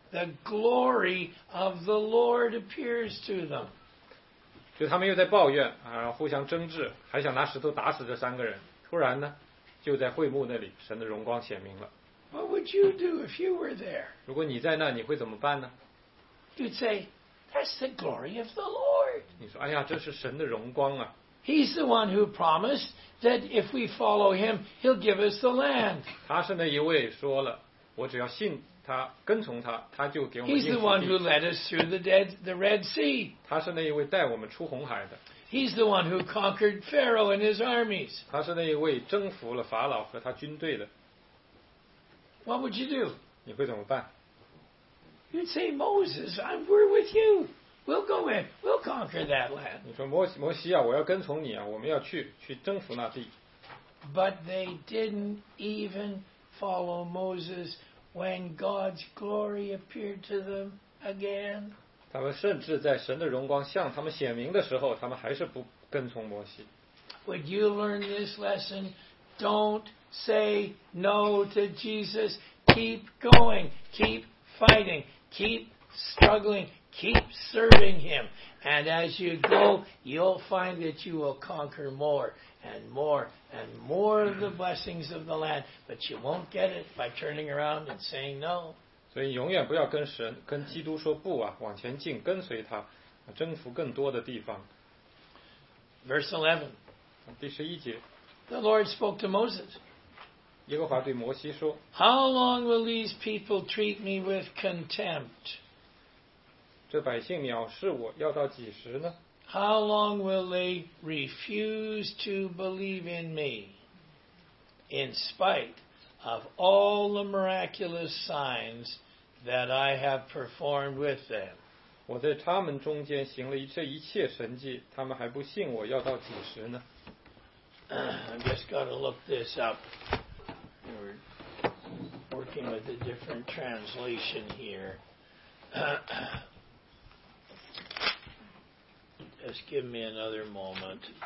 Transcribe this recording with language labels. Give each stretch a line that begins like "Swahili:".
English: The glory of the Lord appears to them.
Chinese: 就他们又在抱怨啊，互相争执，还想拿石头打死这三个人。突然呢，就在会幕那里，神的荣光显明了。
English: What would you do if you were there?
Chinese: 如果你在那，你会怎么办呢？
English: You'd say, "That's the glory of the Lord."
Chinese: 你说，哎呀，这是神的荣光啊。
English: He's the one who promised that if we follow him, he'll give us the land.
Chinese: 他是那一位说了，我只要信他，跟从他，他就给我们应许地。
English: He's the one who led us through the Red Sea.
Chinese: 他是那一位带我们出红海的。
English: He's the one who conquered Pharaoh and his armies.
Chinese: 他是那一位征服了法老和他军队的。
English: What would you do?
Chinese: 你会怎么办？
English: You'd say, Moses, we're with you. We'll go in. We'll conquer that land.
Chinese: 你说摩西啊，我要跟从你啊，我们要去征服那地。
English: But they didn't even follow Moses when God's glory appeared to them again.
Chinese: 他们甚至在神的荣光向他们显明的时候，他们还是不跟从摩西。
English: Would you learn this lesson? Don't say no to Jesus. Keep going. Keep fighting. Keep struggling. Keep serving him, and as you go, you'll find that you will conquer more and more and more of the blessings of the land. But you won't get it by turning around and saying no.
Chinese: 所以永远不要跟神、跟基督说不啊！往前进，跟随他，征服更多的地方。
English: Verse 11,
Chinese: 第十一节。
English: The Lord spoke to Moses.
Chinese: 耶和华对摩西说
English: How long will these people treat me with contempt?
Chinese: 这百姓藐视我要到几时呢
English: How long will they refuse to believe in me in spite of all the miraculous signs that I have performed with them
Chinese: 我在他们中间行了这一切神迹他们还不信我要到几时呢
English: I've just got to look this up We're working with a different translation here Just give me another moment.